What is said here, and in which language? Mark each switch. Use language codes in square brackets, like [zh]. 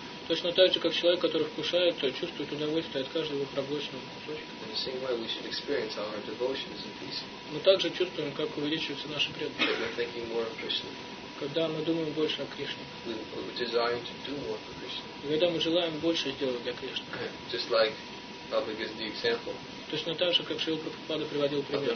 [ru] Точно так же, как человек, который вкушает, чувствует удовольствие от каждого проглоченного кусочка. [en] In the same way, we should experience how our devotion is increasing. [ru] Мы также чувствуем, как увеличивается наша преданность. [en] We're thinking more of Krishna. [ru] Когда мы думаем больше о Кришне. [en] We're desiring to do more for Krishna. [ru] Когда мы желаем больше сделать для Кришны. [en] Just like Prabhupada gives the example. [ru] Точно так же, как Шрила Прабхупада приводил пример.